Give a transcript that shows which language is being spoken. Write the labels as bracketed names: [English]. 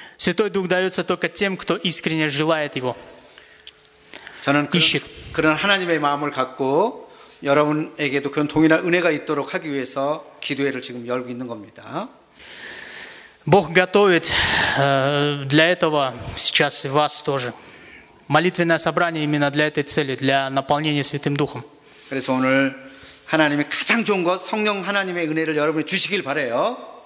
[Russian] Святой Дух дается только тем, кто искренне желает его. [Korean] 저는 [Russian] ищет. [Korean] 그런 하나님의 마음을 갖고 여러분에게도 그런 동일한 은혜가 있도록 하기 위해서 기도회를 지금 열고 있는 겁니다. [Russian] Бог готовит для этого сейчас и вас тоже. Молитвенное собрание именно для этой цели, для наполнения Святым Духом. [Korean] 그래서 오늘 하나님의 가장 좋은 것, 성령 하나님의 은혜를 여러분이 주시길 바라요.